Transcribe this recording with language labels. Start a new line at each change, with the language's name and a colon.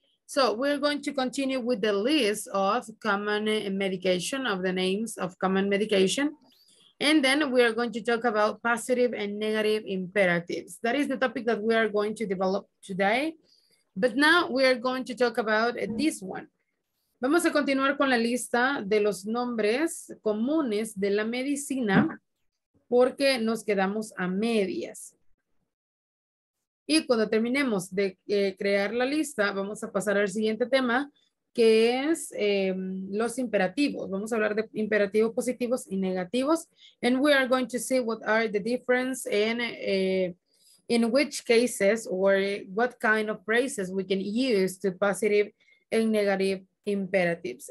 English: So we're going to continue with the list of common medication, of the names of common medication. And then we are going to talk about positive and negative imperatives. That is the topic that we are going to develop today. But now we are going to talk about this one.
Spanish: Vamos a continuar con la lista de los nombres comunes de la medicina porque nos quedamos a medias. Y cuando terminemos de crear la lista, vamos a pasar al siguiente tema, que es los imperativos. Vamos a hablar de imperativos positivos y negativos.
English: And we are going to see what are the difference in which cases or what kind of phrases we can use to positive and negative imperatives.